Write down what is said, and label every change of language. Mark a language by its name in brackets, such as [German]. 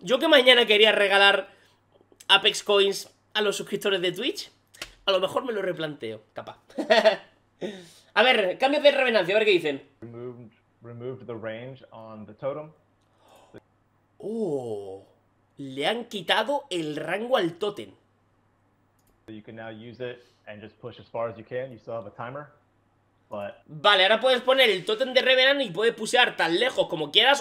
[Spanish] Yo que mañana quería regalar Apex Coins a los suscriptores de Twitch... A lo mejor me lo replanteo, capaz. A ver, cambios de Revenant, a ver qué dicen. [English] Removed the range on the totem. [Spanish] Oh, le han quitado el rango al tótem. [English] You can now use it and just push as far as you can. You still have a timer, but... [Spanish] Vale, ahora puedes poner el tótem de Revenant y puedes pushear tan lejos como quieras.